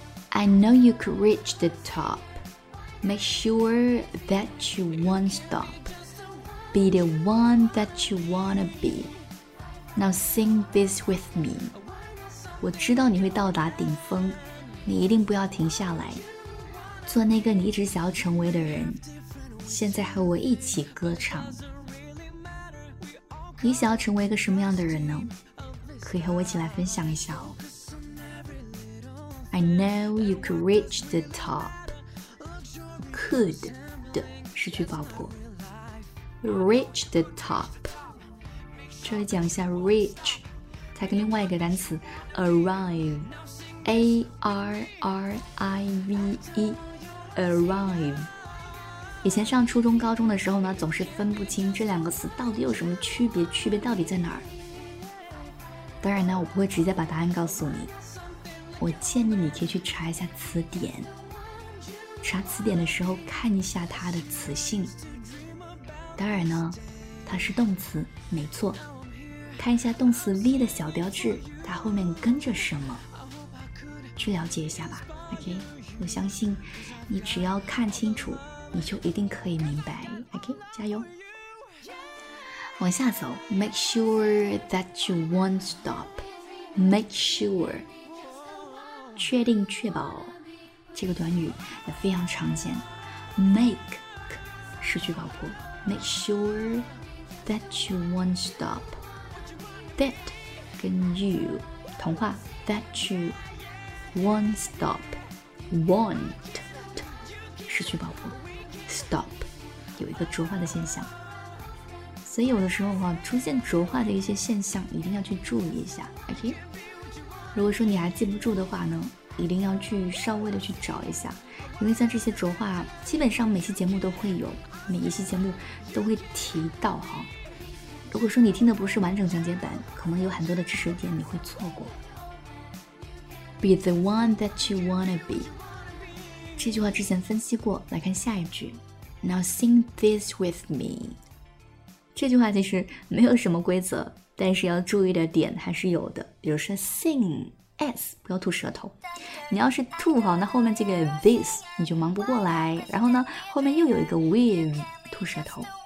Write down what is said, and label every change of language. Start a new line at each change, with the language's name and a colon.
English: I know you could reach the top. Make sure that you won't stop. Be the one that you wanna be. Now sing this with me.
Chinese: 我知道你会到达顶峰，你一定不要停下来，做那个你一直想要成为的人。现在和我一起歌唱。你想要成为一个什么样的人呢？可以和我一起来分享一下哦。
English: I know you could reach the top.
Chinese: Could 的是去爆破。
English: Reach the top.
Chinese: 这里讲一下 reach， 它跟另外一个单词 arrive， A R R I V E， arrive。以前上初中、高中的时候呢，总是分不清这两个词到底有什么区别，区别到底在哪儿。当然呢，我不会直接把答案告诉你，我建议你可以去查一下词典。查词典的时候看一下它的词性。当然呢，它是动词，没错。看一下动词 V 的小标志，它后面跟着什么，去了解一下吧。 OK， 我相信你只要看清楚，你就一定可以明白。 OK， 加油。往下走
English: ，Make sure that you won't stop.
Chinese: Make sure， 确定、确保，这个短语也非常常见。 Make 是句爆破。
English: Make sure that you won't stop. That 跟 you 同化。 That you won't stop. Won't
Chinese: 是句爆破。 Stop 有一个浊化的现象。所以有的时候出现浊化的一些现象一定要去注意一下。 OK， 如果说你还记不住的话呢，一定要去稍微的去找一下，因为像这些浊化基本上每期节目都会有，每一期节目都会提到哈。如果说你听的不是完整讲解版，可能有很多的知识点你会错过。
English: Be the one that you wanna be，
Chinese: 这句话之前分析过，来看下一句。
English: Now sing this with me，
Chinese: 这句话其实没有什么规则，但是要注意的点还是有的。比如说 sing s 不要吐舌头，你要是吐好，那后面这个 this 你就忙不过来，然后呢后面又有一个 with 吐舌头。